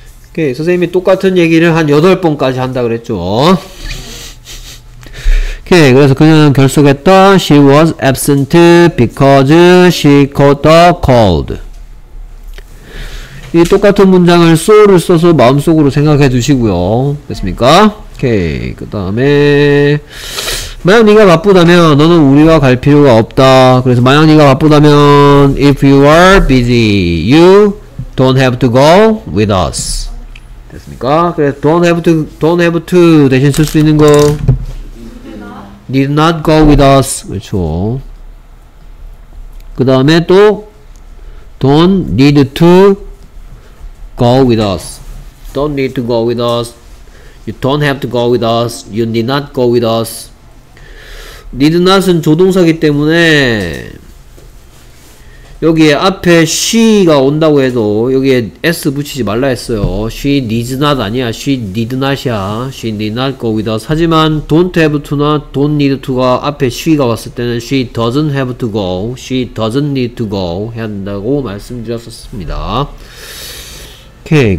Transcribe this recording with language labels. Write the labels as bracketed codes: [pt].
[ko] 오케이, 선생님이 똑같은 얘기를 한 8번까지 한다 그랬죠. 오케이, 그래서 그녀는 결석했다. [en] She was absent because she caught a cold. [ko] 이 똑같은 문장을 so를 써서 마음속으로 생각해 두시고요. 됐습니까? 오케이, 그 다음에 만약 네가 바쁘다면 너는 우리와 갈 필요가 없다. 그래서 만약 네가 바쁘다면 [en] If you are busy, you don't have to go with us. [ko] 됐습니까? 그래서 don't have to 대신 쓸 수 있는 거 [en] need not go with us [ko] 그렇죠. 그 다음에 또 [en] don't need to go with us don't need to go with us you don't have to go with us you need not go with us need not [ko] 은 조동사기 때문에 여기에 앞에 she가 온다고 해도 여기에 s 붙이지 말라 했어요. [en] she needs not [ko] 아니야. [en] she need not이야. she need not [ko] 거기다. 하지만 don't have to나 don't need to가 앞에 she가 왔을 때는 [en] she doesn't have to go, she doesn't need to go [ko] 해야 된다고 말씀드렸었습니다. 오케이.